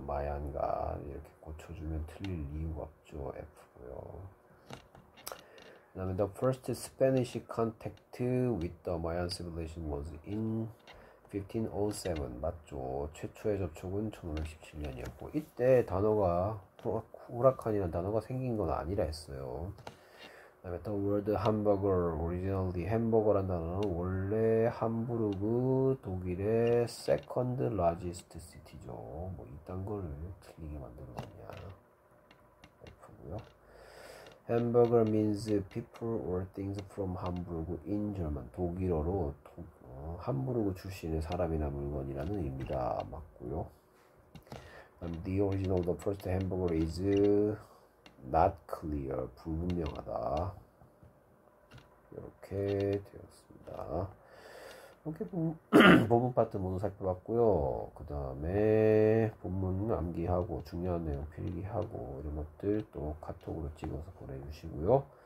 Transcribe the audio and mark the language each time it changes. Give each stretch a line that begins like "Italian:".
Korean: 마얀가 이렇게 고쳐주면 틀릴 이유가 없죠. F고요.
English: 그다음에 the first Spanish contact with the Mayan civilization was in 1507.
Korean: 맞죠? 최초의 접촉은 1517년이었고 이때 단어가 후라칸이라는 단어가 생긴 건 아니라 했어요. 그다음에
English: the word hamburger originally
Korean: 햄버거란 단어는 원래 함부르크 독일의
English: second largest city
Korean: 죠. 뭐 이딴 걸 틀리게 만든 거냐? F고요.
English: Hamburger means people or things from Hamburg in German.
Korean: 독일어로 함부르크 출신의 사람이나 물건이라는 의미다. 맞고요.
English: And the origin of the first hamburger is not clear.
Korean: 불분명하다. 이렇게 되었습니다. 이렇게 본문 파트 모두 살펴봤고요. 그 다음에 본문 암기하고 중요한 내용 필기하고 이런 것들 또 카톡으로 찍어서 보내주시고요.